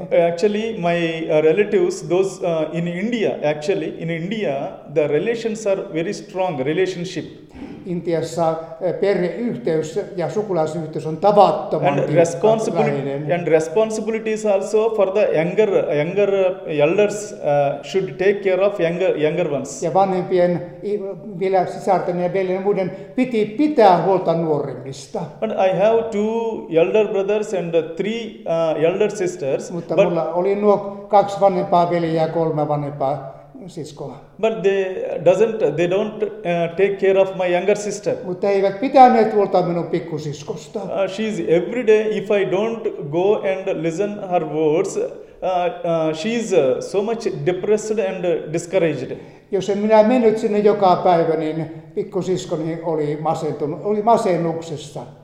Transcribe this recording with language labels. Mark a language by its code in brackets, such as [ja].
[en] Actually, my relatives, those in India, the relations are very strong relationship. [fi] Intiassa perheyhteys ja sukulaisyhteys on tavattoman tiukka. [en] And responsibilities also for the younger elders should take care of younger ones. [fi] Ja vanhempien, vielä sisarten ja veljen muiden, piti pitää huolta nuoremmista. [en] But I have two elder brothers and three elder sisters. [fi] Mutta mulla oli nuo kaksi vanhempaa veljeä ja kolme vanhempaa. Siskoa. [en] But they don't take care of my younger sister. [fi] Mutta eivät pitäneet huolta minun pikkusiskosta. [en] She is every day if I don't go and listen her words, she is so much depressed and discouraged. [fi] Jos en minä mennyt sinne joka päivä, niin pikkusiskoni oli masentunut, oli masennuksessa.